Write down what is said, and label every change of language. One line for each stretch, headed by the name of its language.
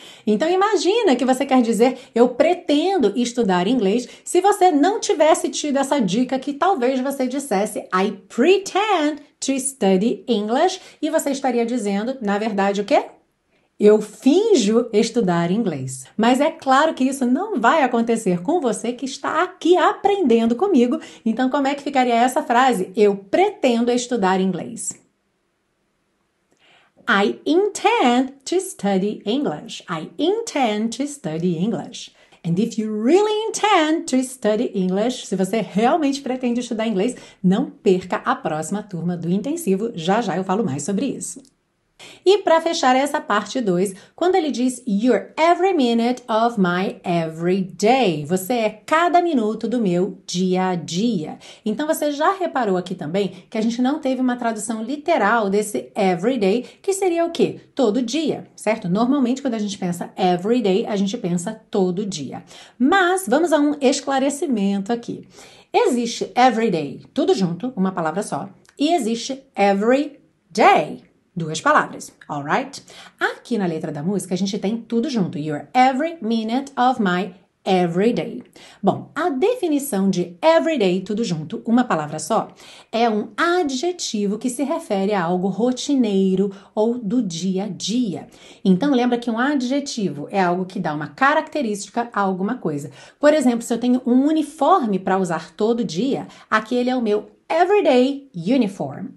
Portuguese: Então, imagina que você quer dizer, eu pretendo estudar inglês, se você não tivesse tido essa dica que talvez você dissesse,
English: I pretend to study English,
Portuguese: e você estaria dizendo, na verdade, o quê? Eu finjo estudar inglês. Mas é claro que isso não vai acontecer com você que está aqui aprendendo comigo, então como é que ficaria essa frase? Eu pretendo estudar inglês.
English: I intend to study English. I intend to study English. And if you really intend to study English,
Portuguese: se você realmente pretende estudar inglês, não perca a próxima turma do intensivo. Já já eu falo mais sobre isso. E para fechar essa parte 2, quando ele diz
English: you're every minute of my every day,
Portuguese: você é cada minuto do meu dia a dia. Então você já reparou aqui também que a gente não teve uma tradução literal desse every day, que seria o quê? Todo dia, certo? Normalmente quando a gente pensa every day, a gente pensa todo dia. Mas vamos a um esclarecimento aqui. Existe every day, tudo junto, uma palavra só, e existe every day. Duas palavras, alright? Aqui na letra da música, a gente tem tudo junto.
English: You're every minute of my everyday.
Portuguese: Bom, a definição de everyday, tudo junto, uma palavra só, é um adjetivo que se refere a algo rotineiro ou do dia a dia. Então, lembra que um adjetivo é algo que dá uma característica a alguma coisa. Por exemplo, se eu tenho um uniforme para usar todo dia, aquele é o meu
English: everyday uniform.